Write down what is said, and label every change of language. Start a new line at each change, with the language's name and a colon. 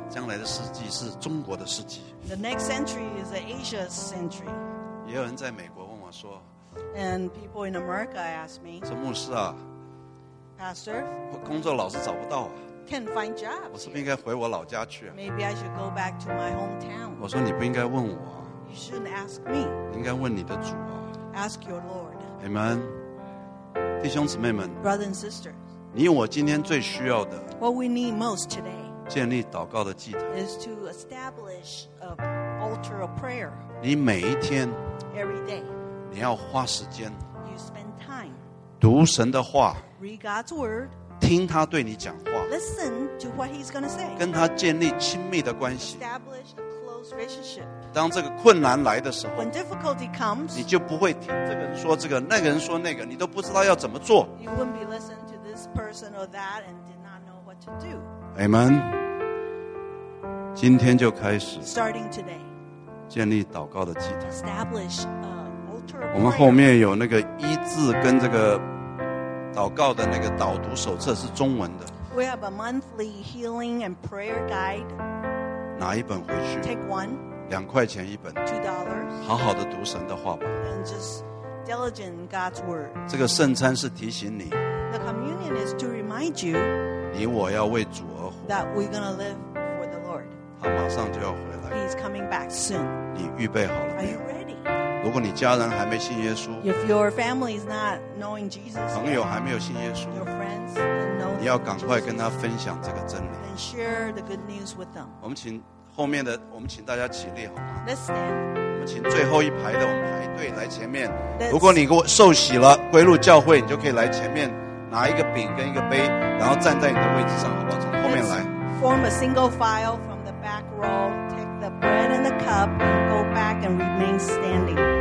Chinese: 将来的世纪是中国的世纪。
English: The next century is Asia's century.
Chinese: 也有人在美国问我说。
English: And people in America ask me.
Chinese: 说牧师啊。
English: Pastor.
Chinese: 我工作老是找不到啊。
English: Can't find jobs.
Chinese: 我是不是应该回我老家去啊？
English: Maybe I should go back to my hometown.
Chinese: 我说你不应该问我。
English: You shouldn't ask me.
Chinese: 应该问你的主啊。
English: Ask your Lord.
Chinese: Amen. 弟兄姊妹们。
English: Brothers and sisters.
Chinese: 你我今天最需要的。
English: What we need most today.
Chinese: 建立祷告的祭坛。
English: Is to establish an altar of prayer.
Chinese: 你每一天。
English: Every day.
Chinese: 你要花时间。
English: You spend time.
Chinese: 读神的话。
English: Read God's word.
Chinese: 听他对你讲话
English: Listen to what he's going to say.
Chinese: 跟他建立亲密的关系
English: Establish a close relationship.
Chinese: 当这个困难来的时候
English: When difficulty comes,
Chinese: 你就不会听这个人说这个那个人说那个你都不知道要怎么做
English: You wouldn't be listening to this person or that and did not know what to do.
Chinese: Amen. 今天就开始
English: Starting today.
Chinese: 建立祷告的祭坛
English: Establish an altar.
Chinese: 我们后面有那个医治跟这个祷告的那个导读手册是中文的。
English: We have a monthly healing and prayer guide.
Chinese: 拿一本回去。
English: Take one.
Chinese: 两块钱一本。
English: $2.
Chinese: 好好的读神的话吧。
English: And just diligent God's word.
Chinese: 这个圣餐是提醒你。
English: The communion is to remind you.
Chinese: 你我要为主而活。
English: That we're gonna live for the Lord.
Chinese: 他马上就要回来。
English: He's coming back soon.
Chinese: 你预备好了吗？
English: Are you ready?
Chinese: 如果你家人还没信耶稣
English: If your family is not knowing Jesus,
Chinese: 朋友还没有信耶稣
English: your friends didn't know
Chinese: 你要赶快跟他分享这个真理
English: and share the good news with them.
Chinese: 我们请后面的我们请大家起立好吗
English: Let's stand.
Chinese: 我们请最后一排的我们排队来前面如果你给我受洗了归入教会你就可以来前面拿一个饼跟一个杯然后站在你的位置上好不好从后面来
English: Let's form a single file from the back row take the bread and the cup and go back and remain standing.